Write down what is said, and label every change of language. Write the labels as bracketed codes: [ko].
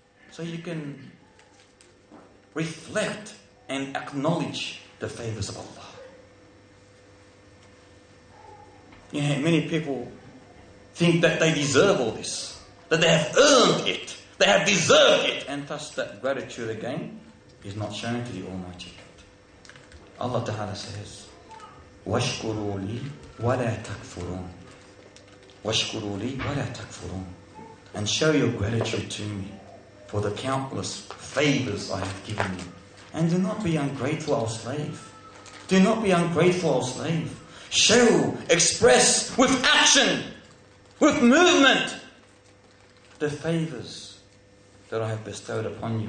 [en] So you can reflect and acknowledge the favors of Allah. Yeah, many people think that they deserve all this, that they have earned it, they have deserved it. And thus that gratitude again is not shown to the Almighty God. Allah Ta'ala says, [ar] وَشْكُرُوا لِي وَلَا تَكْفُرُونَ. وَشْكُرُوا لِي وَلَا تَكْفُرُونَ. [en] And show your gratitude to me for the countless favors I have given you. And do not be ungrateful, O slave. Do not be ungrateful, O slave. Show, express with action, with movement, the favors that I have bestowed upon you.